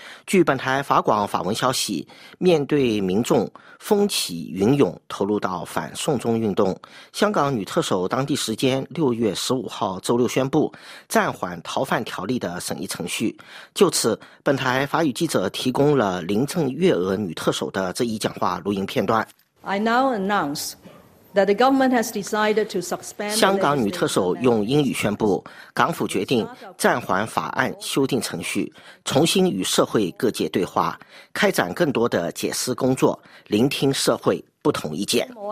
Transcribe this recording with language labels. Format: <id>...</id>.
<zh>据本台法广法文消息，面对民众风起云涌投入到反送中运动，香港女特首当地时间6月15号周六宣布暂缓逃犯条例的审议程序。就此，本台法语记者提供了林郑月娥女特首的这一讲话录音片段。</zh> <en>I now announceThat the government has decided to suspend.</en> <zh>香港女特首用英语宣布，港府决定暂缓法案修订程序，重新与社会各界对话，开展更多的解释工作，聆听社会不同意见。</zh>